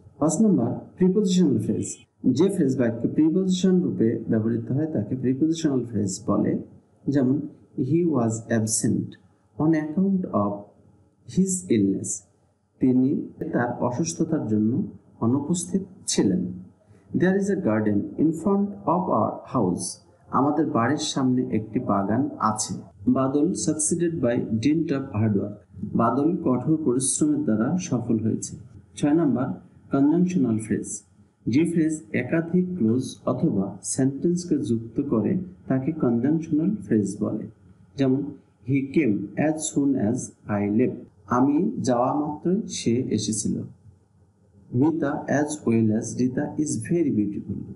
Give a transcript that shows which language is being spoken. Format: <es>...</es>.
<bn>পাঁচ নম্বর prepositional phrase, যে phrase বাক্যে প্রিপোজিশন রূপে ব্যবহৃত হয় তাকে প্রিপোজিশনাল ফ্রেজ বলে। যেমন</bn> <en>He was absent on account of his illness.</en> <bn>তিনি তার অসুস্থতার জন্য অনুপস্থিত ছিলেন.</bn> <en>There is a garden in front of our house.</en> <bn>আমাদের বাড়ির সামনে একটি বাগান আছে.</bn> <en>Badal succeeded by dint of hard work.</en> <bn>বাদল কঠোর পরিশ্রমের দ্বারা সফল হয়েছে. 6 নম্বর conjunctional phrase. যে ফ্রেজ একাধিক ক্লোজ অথবা সেন্টেন্সকে যুক্ত করে তাকে কনজাংশনাল ফ্রেজ বলে।</bn> <en>যেমন he came as soon as I left.</en> <bn>আমি যাওয়া মাত্রই সে এসেছিল।</bn> <en>Mita as well as Rita is very beautiful.</en>